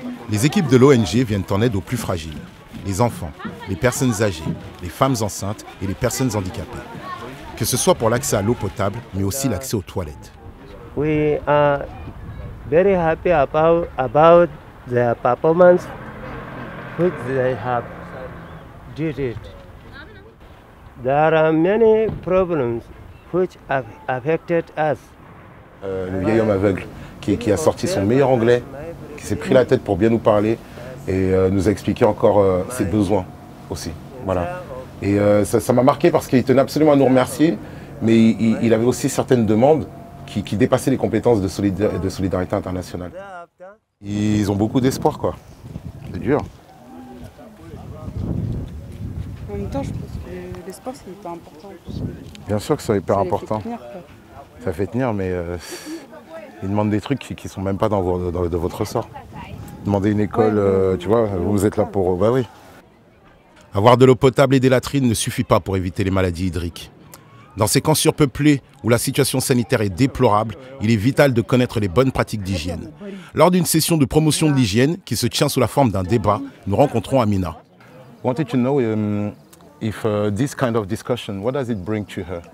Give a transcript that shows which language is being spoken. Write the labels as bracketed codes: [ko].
[fr] Les équipes de l'ONG viennent en aide aux plus fragiles. Les enfants, les personnes âgées, les femmes enceintes et les personnes handicapées. Que ce soit pour l'accès à l'eau potable, mais aussi l'accès aux toilettes. [en] We are very happy about their performance, which they have did it. There are many problems which have affected us. [fr] Le vieil homme aveugle qui a sorti son meilleur anglais, qui s'est pris la tête pour bien nous parler et nous a expliqué encore ses besoins aussi. Voilà. Et ça m'a marqué parce qu'il tenait absolument à nous remercier, mais il avait aussi certaines demandes qui dépassaient les compétences de Solidarité Internationale. Ils ont beaucoup d'espoir, quoi. C'est dur. En même temps, je pense que l'espoir, c'est hyper important. Bien sûr que c'est hyper important. Ça fait tenir, ça fait tenir, mais ils demandent des trucs qui ne sont même pas de votre ressort. Demander une école, tu vois, vous êtes là pour... Bah oui. Avoir de l'eau potable et des latrines ne suffit pas pour éviter les maladies hydriques. Dans ces camps surpeuplés, où la situation sanitaire est déplorable, il est vital de connaître les bonnes pratiques d'hygiène. Lors d'une session de promotion de l'hygiène, qui se tient sous la forme d'un débat, nous rencontrons Amina. [en] Wanted to know if this kind of discussion, what does it bring to her?